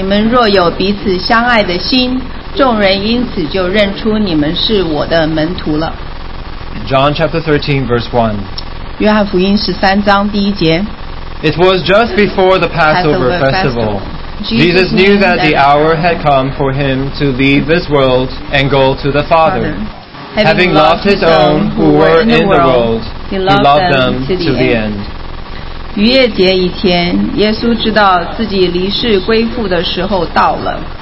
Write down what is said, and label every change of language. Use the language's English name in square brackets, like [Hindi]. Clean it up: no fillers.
[Chinese] 我赐给你们一条新命令，乃是叫你们彼此相爱。我怎样爱你们，你们也要怎样相爱。你们若有彼此相爱的心， 众人因此就认出你们是我的门徒了。John [English] chapter 13 verse 1. [Chinese] 约翰福音13章第1节。 [English] It was just before the Passover festival. Jesus knew that the hour had come for him to leave this world and go to the Father. Having loved his own who were in the world, he loved them to the end. [Chinese] 逾越节以前，耶稣知道自己离世归父的时候到了。